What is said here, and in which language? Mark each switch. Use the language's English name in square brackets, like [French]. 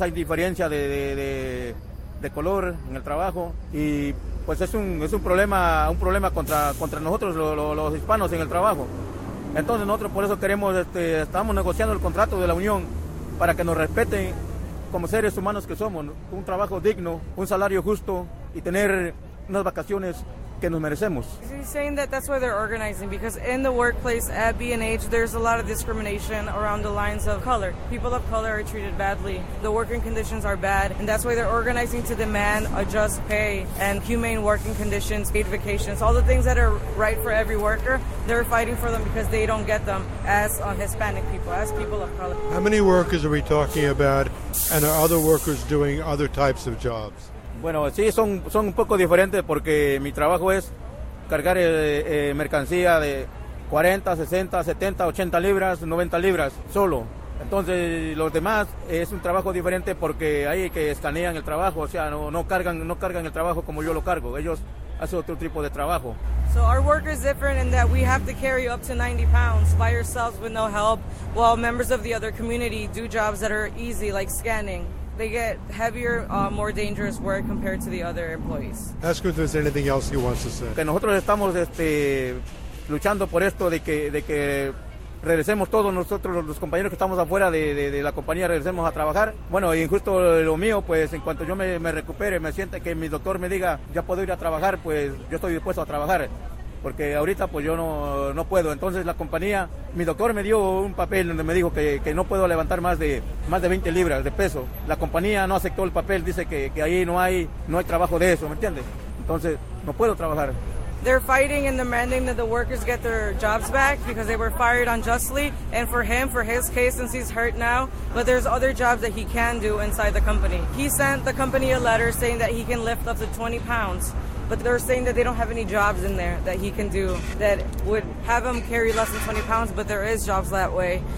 [Spanish] Hay diferencia de color en el trabajo y pues es un problema contra nosotros los hispanos en el trabajo. Entonces nosotros por eso queremos estamos negociando el contrato de la unión para que nos respeten como seres humanos que somos, un trabajo digno, un salario justo y tener unas vacaciones que nos merecemos. [English] He's saying that that's why they're organizing, because in the workplace at B&H there's a lot of discrimination around the lines of color. People of color are treated badly. The working conditions are bad, and that's why they're organizing to demand a just pay and humane working conditions, paid vacations, all the things that are right for every worker. They're fighting for them because they don't get them as Hispanic people, as people of color. How many workers are we talking about, and are other workers doing other types of jobs? [Spanish] Bueno, sí, son un poco diferentes porque mi trabajo es cargar mercancía de 40, 60, 70, 80 libras, 90 libras solo. Entonces, los demás es un trabajo diferente porque hay que escanean el trabajo, o sea, no cargan el trabajo como yo lo cargo. Ellos hacen otro tipo de trabajo. [English] So our work is different in that we have to carry up to 90 pounds by ourselves with no help, while members of the other community do jobs that are easy, like scanning. they get heavier, more dangerous work compared to the other employees. Ask if there's anything else he wants to say. [Spanish] Que nosotros estamos luchando por esto de que regresemos todos nosotros, los compañeros que estamos afuera de la compañía, regresemos a trabajar. Bueno, y justo lo mío, pues en cuanto yo me recupere, me siente que mi doctor me diga, ya puedo ir a trabajar, pues yo estoy dispuesto a trabajar. Porque ahorita pues yo no puedo. Entonces la compañía, mi doctor me dio un papel donde me dijo que no puedo levantar más de 20 libras de peso. La compañía no aceptó el papel, dice que ahí no hay trabajo de eso, ¿me entiendes? Entonces no puedo trabajar. [English] They're fighting and demanding that the workers get their jobs back because they were fired unjustly. And for him, for his case, since he's hurt now, but there's other jobs that he can do inside the company. He sent the company a letter saying that he can lift up to 20 pounds, but they're saying that they don't have any jobs in there that he can do that would have him carry less than 20 pounds, but there is jobs that way.